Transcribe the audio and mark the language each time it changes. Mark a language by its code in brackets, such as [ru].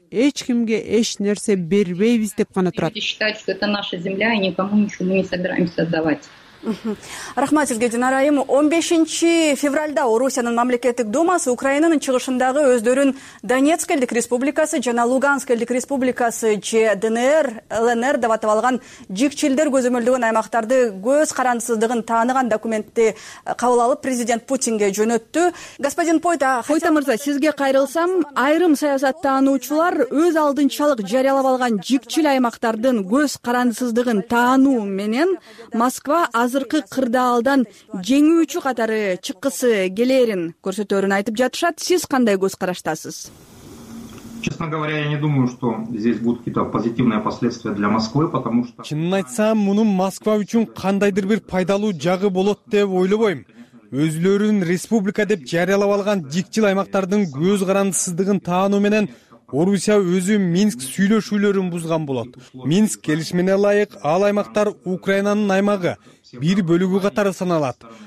[ky] Эч кимге эч нерсе бербейбиз деп гана турат. [ru] Считать, что это наша земля, и никому ничего мы не собираемся отдавать. [ky] Рахмат сизге, Динар айым. 15 февральда Орусиянын мамлекеттик думасы Украинанын чыгышындагы өздөрүн Донецк элдик республикасы жана Луганск элдик республикасы же ДНР, ЛНР деп атап алган жикчилдер көзөмөлдөгөн аймактарды көз карандысыздыгын тааныган документти кабыл алып президент Путинге жөнөттү. [ru] Господин Пойта, [ky] Пойта мырза, сизге кайрылсам, айрым саясаттануучулар өз алдынчалык жарыялап алган жикчил аймактардын көз карандысыздыгын таануу менен Москва азыркы кырдаалдан жеңүүчү катары чыккысы келерин көрсөтөрүн айтып жатышат. Сиз кандай көз караштасыз? [ru] Честно говоря, я не думаю, что здесь будут какие-то позитивные последствия для Москвы, потому что [ky] чынын айтсам, мунун Москва үчүн кандайдыр бир пайдалуу жагы болот деп ойлобойм. Өзлөрүн республика деп жарыялап алган жикчил аймактардын көз карандысыздыгын таануу менен Орусия өзү Минск сүйлөшүүлөрүн бузган болот. Минск келишмине ылайык, ал аймактар Украинанын аймагы, бир бөлүгү катары саналат.